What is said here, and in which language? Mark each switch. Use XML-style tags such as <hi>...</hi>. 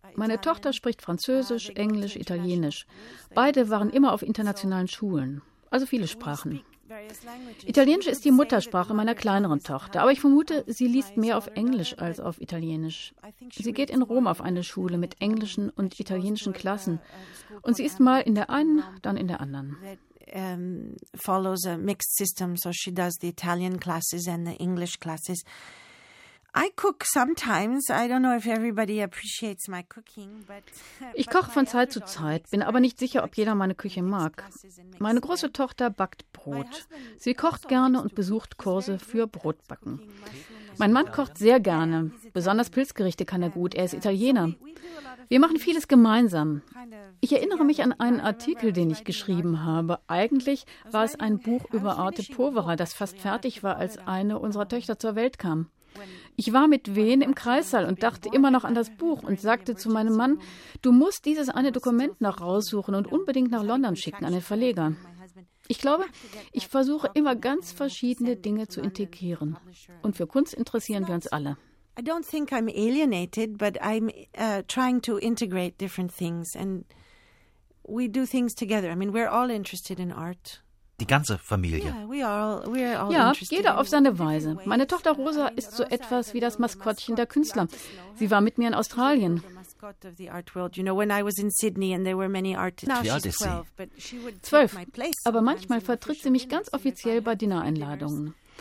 <de>Meine Tochter spricht Französisch, Englisch, Italienisch. Beide waren immer auf internationalen Schulen. Also viele Sprachen. Italienisch ist die Muttersprache meiner kleineren Tochter, aber ich vermute, sie liest mehr auf Englisch als auf Italienisch. Sie geht in Rom auf eine Schule mit englischen und italienischen Klassen und sie ist mal in der einen, dann in der anderen.</de> <en>Follows a mixed system, so she does the Italian classes and the English classes. I cook sometimes. I don't know if everybody appreciates my cooking, but</en> <de>ich koche von Zeit zu Zeit, bin aber nicht sicher, ob jeder meine Küche mag. Meine große Tochter backt Brot. Sie kocht gerne und besucht Kurse für Brotbacken. Mein Mann kocht sehr gerne, besonders Pilzgerichte kann er gut. Er ist Italiener. Wir machen vieles gemeinsam. Ich erinnere mich an einen Artikel, den ich geschrieben habe. Eigentlich war es ein Buch über Arte Povera, das fast fertig war, als eine unserer Töchter zur Welt kam. Ich war mit Wehen im Kreißsaal und dachte immer noch an das Buch und sagte zu meinem Mann, du musst dieses eine Dokument noch raussuchen und unbedingt nach London schicken an den Verleger. Ich glaube, ich versuche immer ganz verschiedene Dinge zu integrieren. Und für Kunst interessieren wir uns alle.</de> <en>I don't think I'm alienated, but I'm trying to integrate different things. And we do things together. I mean, we're all interested in art.</en> <de>Die ganze Familie. Ja, jeder auf seine Weise. Meine Tochter Rosa ist so etwas wie das Maskottchen der Künstler. Sie war mit mir in Australien. Wie alt ist sie? 12. Aber manchmal vertritt sie mich ganz offiziell bei Dinner-Einladungen.</de>